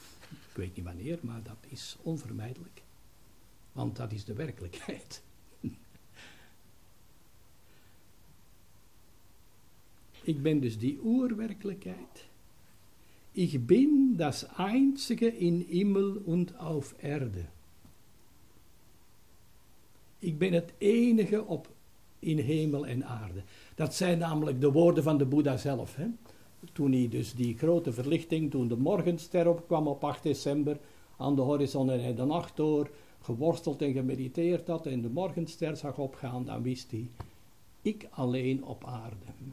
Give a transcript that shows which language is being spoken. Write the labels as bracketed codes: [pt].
[nl] Ik weet niet wanneer, maar dat is onvermijdelijk. Want dat is de werkelijkheid. Ik ben dus die oerwerkelijkheid. Ik ben [de] das einzige in himmel und auf erde. [nl] Ik ben het enige op in hemel en aarde. Dat zijn namelijk de woorden van de Boeddha zelf, hè. Toen hij dus die grote verlichting, toen de morgenster opkwam op 8 december aan de horizon en hij de nacht door geworsteld en gemediteerd had en de morgenster zag opgaan, dan wist hij, ik alleen op aarde.